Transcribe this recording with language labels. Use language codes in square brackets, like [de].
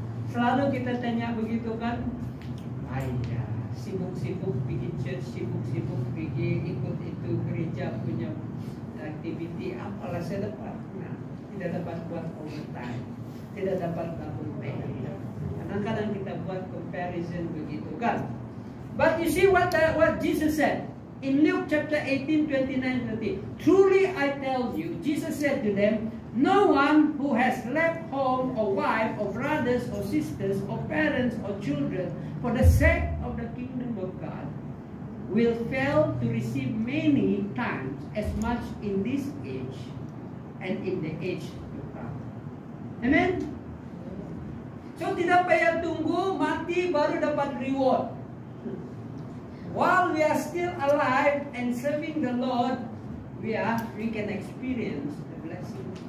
[ms] Selalu kita tanya begitu kan? Aiyah, sibuk-sibuk pergi church, sibuk-sibuk pergi ikut itu gereja punya aktiviti, apalah saya dapat? Nah, tidak dapat buat overtime, tidak dapat tabung pay. Kadang-kadang kita buat comparison begitu kan. [en] But you see what Jesus said in Luke chapter 18:29-30. "Truly I tell you," Jesus said to them, "no one who has left home or wife or brothers or sisters or parents or children for the sake of the kingdom of God will fail to receive many times as much in this age and in the age to come." Amen? [ms] So, tidak payah tunggu, mati baru dapat reward. [en] While we are still alive and serving the Lord, we can experience the blessing.